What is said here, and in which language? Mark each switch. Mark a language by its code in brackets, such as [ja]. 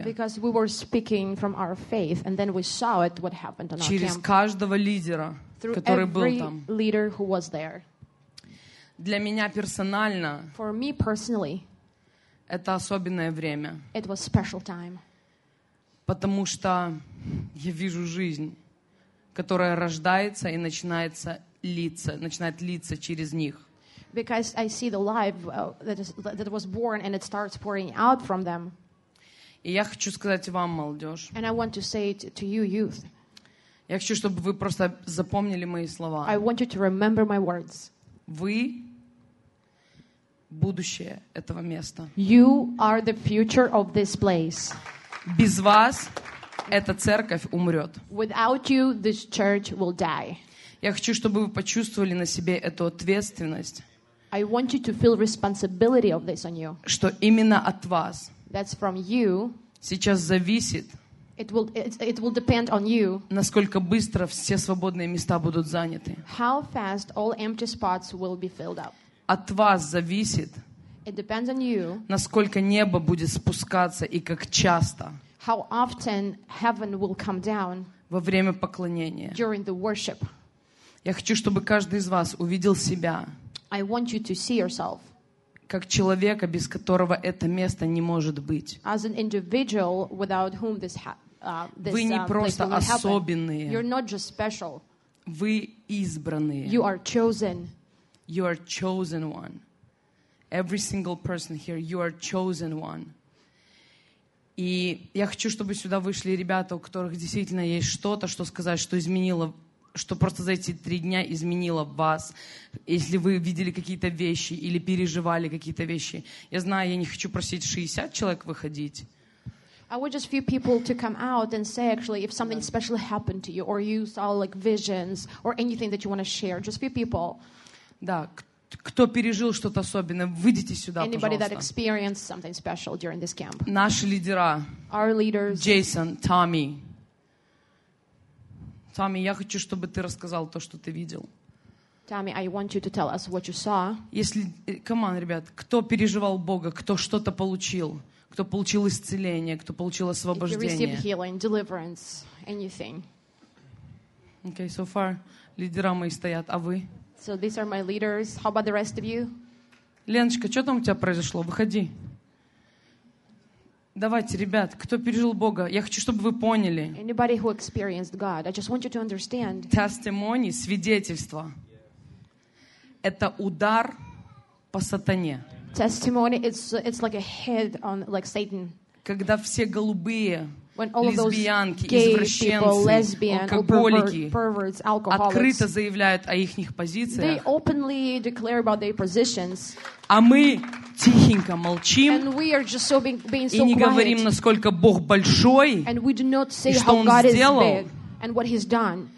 [en] Because we were speaking from our faith, and then we saw it what happened on our [ru] через [en] camp. [ru] Каждого лидера, [en] through [ru] который был там. [en] Through every leader who was there. [ru] Для меня персонально. [en] For me personally. [ru] Это особенное время. [en] It was special time. [ru] Потому что я вижу жизнь, которая рождается и начинает литься через них. [en] Because I see the life that was born and it starts pouring out from them. [ru] И я хочу сказать вам, молодежь. [en] And I want to say it to you, youth. [ru] Я хочу, чтобы вы просто запомнили мои слова. [en] I want you to remember my words. [ru] Вы будущее этого места. [en] You are the future of this place. [ru] Без вас эта церковь умрет. [en] Without you, this church will die. [ru] Я хочу, чтобы вы почувствовали на себе эту ответственность. [en] I want you to feel responsibility of this on you. [ru] Что именно от вас? [en] That's from you. [ru] Сейчас зависит. [en] It will depend on you. [ru] Насколько быстро все свободные места будут заняты? [en] How fast all empty spots will be filled up? [ru] От вас зависит. [en] It depends on you. [ru] Насколько небо будет спускаться и как часто? [en] How often heaven will come down? [ru] Во время поклонения. [en] During the worship. [ru] Я хочу, чтобы каждый из вас увидел себя. [en] I want you to see yourself. [ru] как человека, без которого это место не может быть. [en] As an individual without whom this this [ru] вы не просто особенные. [en] You're not just special. [ru] Вы избранные. [en] You are chosen. You are chosen one. Every single person here, you are chosen one. [ru] И я хочу, чтобы сюда вышли ребята, у которых действительно есть что-то, что сказать, что изменило, что просто за эти три дня изменило вас. Если вы видели какие-то вещи или переживали какие-то вещи. Я знаю, я не хочу просить 60 человек выходить. [en] I would just few people to come out and say actually if something special happened to you or you saw like visions or anything that you want to share, just few people. [ru] Да, кто пережил что-то особенное, выйдите сюда, пожалуйста. [en] Anybody that experienced something special during this camp. [ru] Наши лидера. [en] Our leaders. Jason, Tommy. [ru] Tommy, я хочу, чтобы ты рассказал то, что ты видел. [en] Tommy, I want you to tell us what you saw. [ru] Если, [en] come on, [ru] ребят, кто переживал Бога, кто что-то получил, кто получил исцеление, кто получил освобождение. [en] If you received healing, deliverance, anything. Okay, so far, [ru] лидера мои стоят, а вы? [en] So these are my leaders. How about the rest of you? [ru] Леночка, что там у тебя произошло? Выходи. Давайте, ребят, кто пережил Бога? Я хочу, чтобы вы поняли. [en] Anybody who experienced God, I just want you to understand. [ru] Testimony, свидетельство. Это удар по сатане. [en] Testimony, it's like a hit on like Satan. [ru] Когда все голубые, лесбиянки, извращенцы, алкоголики открыто заявляют о их позициях, а мы тихенько молчим и не говорим, насколько Бог большой и что Он сделал.